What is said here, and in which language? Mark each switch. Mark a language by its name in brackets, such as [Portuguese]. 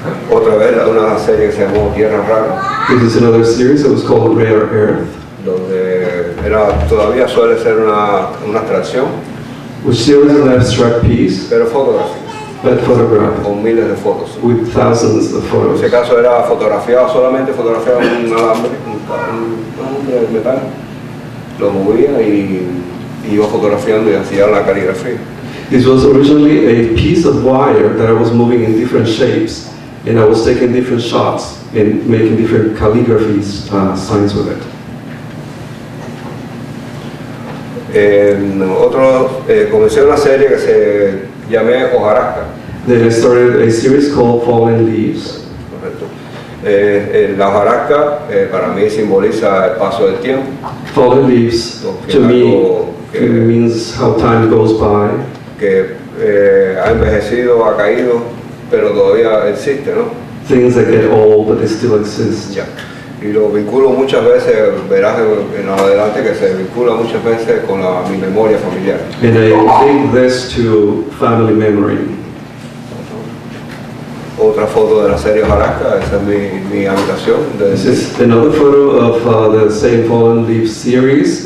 [Spanish] Otra vez una serie que se llamó Tierra Rara. [English] This is another series that was called Rare Earth. [Spanish] Donde era todavía suele ser una abstracción. [English] Which still is an abstract piece. [Spanish] Pero fotografía. [English] But photograph. [Spanish] Con miles de fotos. [English] With thousands of photos. [Spanish] En ese caso era fotografiado solamente, fotografiado en un alambre de metal. Lo movía y iba fotografiando y hacía la caligrafía. [English] This was originally a piece of wire that I was moving in different shapes. And I was taking different shots and making different calligraphy signs with it. [Spanish] Comencé una serie que se llamé Hojarasca. [English] Then I started a series called Fallen Leaves. [Spanish] Correcto. La hojarasca para mí simboliza el paso del tiempo. [English] Fallen leaves, to me, means how time goes by. [Spanish] Que ha envejecido, ha caído, pero todavía existe, ¿no? [English] Things that get old, but they still exist. Yeah. [Spanish] Y lo vinculo muchas veces, verás en adelante que se vincula muchas veces con la, mi memoria familiar. [English] And I link this to family memory. [Spanish] Otra foto de la serie Hojarasca, esa es mi, mi habitación. [English] This is another photo of the same Fallen Leaf series.